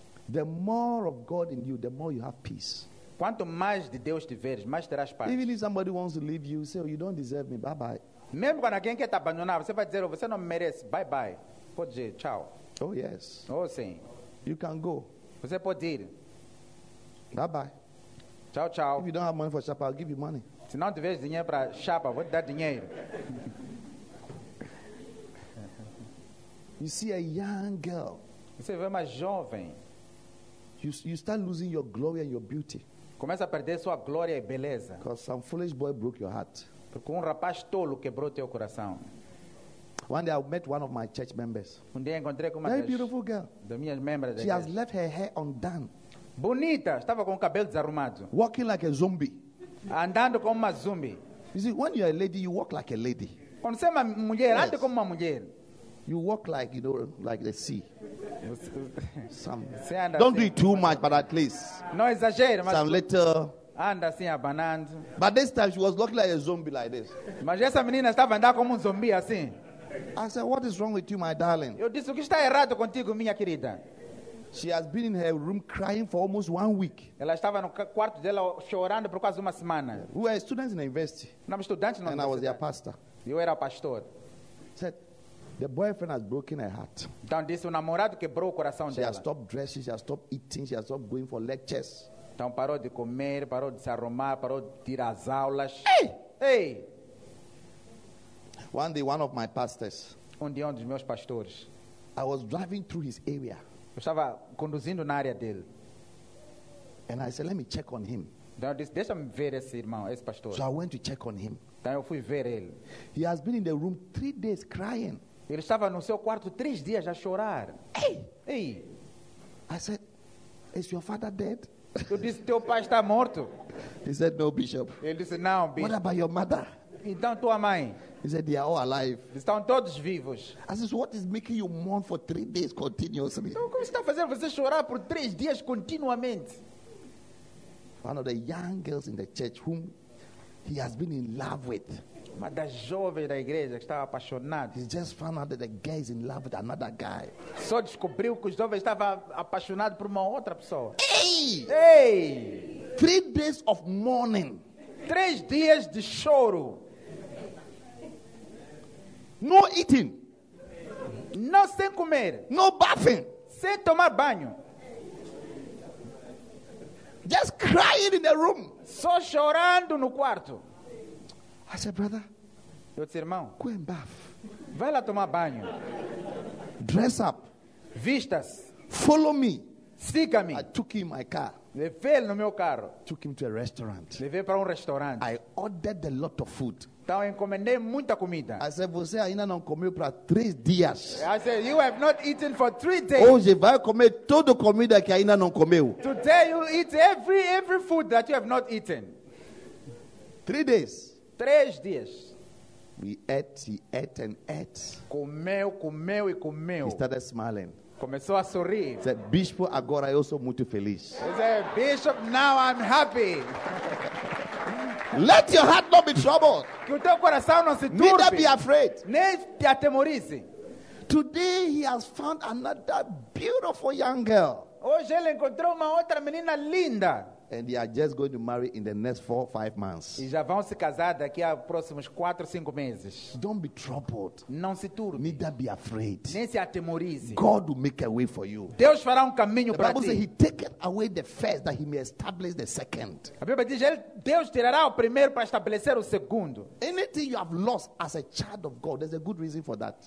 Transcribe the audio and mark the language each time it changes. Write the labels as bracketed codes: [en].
[en] The more of God in you, the more you have peace. [pt] Quanto mais de Deus tiveres, mais terás paz. [en] Even if somebody wants to leave you, say, "Oh, you don't deserve me. Bye bye." [pt] Mesmo quando alguém quer te abandonar, você vai dizer, "Oh, você não merece. [en] Bye bye." [pt] Pode dizer, tchau. [en] Oh yes. [pt] Oh sim. [en] You can go. [pt] Você pode ir. [en] Bye bye. [pt] Tchau, tchau. [en] If you don't have money for chapa, I'll give you money. [pt] Se não tiver dinheiro para chapa, vou te dar dinheiro. [en] You see a young girl. [pt] Você vê uma jovem. [en] You start losing your glory and your beauty. [pt] Começa a perder sua glória e beleza. [en] Because some foolish boy broke your heart. [pt] Porque um rapaz tolo quebrou teu coração. [en] One day I met one of my church members. [pt] Um dia encontrei com uma [en] very beautiful girl. [pt] Da minha membra da [en] She igreja. Has left her hair undone. [pt] Bonita, estava com o cabelo desarrumado. [en] Walking like a zombie. [pt] Andando como uma zombie. [en] You see, when you're a lady, you walk like a lady. [pt] Quando você é uma mulher, anda como uma mulher. [en] You walk like, you know, like the sea. Some, don't do it too much, but at least. [pt] Não exagero, mas [en] some little. [pt] Anda assim abanando. [en] But this time she was looking like a zombie like this. [pt] Mas essa menina estava andando como um zumbi assim. [en] I said, what is wrong with you, my darling? [pt] Eu disse, o que está errado contigo, minha querida? [en] She has been in her room crying for almost 1 week. [pt] Ela estava no quarto dela chorando por quase uma semana. [en] We were students in the university. [pt] Nós estudantes na universidade. [en] And I was their pastor. [pt] Eu era pastor. [en] Said, the boyfriend has broken her heart. [pt] Então disse, o namorado quebrou o coração [en] she [pt] dela. [en] She has stopped dressing, she has stopped eating, she has stopped going for lectures. [pt] Então parou de comer, parou de se arrumar, parou de tirar as aulas. Ei! Ei! [en] One day, one of my pastors. [pt] Um dos meus pastores. [en] I was driving through his area. [pt] Eu estava conduzindo na área dele. [en] And I said, let me check on him. [pt] Então, disse, deixa-me ver esse irmão, esse pastor. [en] So I went to check on him. [pt] Então eu fui ver ele. [en] He has been in the room 3 days crying. [pt] Ele estava no seu quarto 3 dias a chorar. Ei! Ei! [en] I said, is your father dead? [pt] Eu disse, teu pai está morto. [en] He said, no, bishop. [pt] Ele disse, não, bishop. [en] What about your mother? [pt] Então, tua mãe. [en] He said, they are all alive. [pt] Estão todos vivos. [en] I said, what is making you mourn for 3 days continuously? [pt] Então, como está fazendo você chorar por 3 dias continuamente? [en] One of the young girls in the church whom he has been in love with. [pt] Uma das jovens da igreja que estava apaixonada. [en] He just found out that the girl is in love with another guy. [pt] Só descobriu que o jovem estava apaixonado por uma outra pessoa. Ei! Ei! [en] 3 days of mourning. [pt] 3 dias de choro. [en] No eating. [pt] Não sem comer. [en] No bathing. [pt] Sem tomar banho. [en] Just crying in the room. [pt] Só chorando no quarto. [en] I said, brother. [pt] Eu disse, irmão. [en] Go and bath. [pt] Vai lá tomar banho. [en] Dress up. [pt] Vistas. [en] Follow me. [pt] Siga-me. [en] I took him in my car. [pt] Levei ele no meu carro. [en] Took him to a restaurant. [pt] Levei para restaurante. [en] I ordered a lot of food. [pt] Então, encomendei muita comida. [en] I said, [pt] você ainda não comeu para 3 dias. [en] I said, you have not eaten for 3 days. [pt] Hoje vai comer toda a comida que ainda não comeu. [en] Today you eat every food that you have not eaten. 3 days. [pt] 3 dias. [en] We ate, he ate and ate. [pt] Comeu, comeu e comeu. [en] He started smiling. [pt] Começou a sorrir. [en] Said, [pt] bishop, agora eu sou muito feliz. [en] He said, bishop, now I'm happy. Let your heart not be troubled. [pt] Que o teu coração não se turbe. [en] Neither be afraid. [pt] Nem te atemorize. [en] Today he has found another beautiful young girl. [pt] Hoje ele encontrou uma outra menina linda. [en] And they are just going to marry in the next 4 or 5 months. [pt] E já vão se casar daqui a próximos 4 or 5 meses. [en] Don't be troubled. [pt] Não se turbe. [en] Neither be afraid. [pt] Nem se atemorize. [en] God will make a way for you. [pt] Deus fará caminho para ti. [en] The Bible says he taketh away the first that he may establish the second. [pt] A Bíblia diz, Deus tirará o primeiro para estabelecer o segundo. [en] Anything you have lost as a child of God, there's a good reason for that.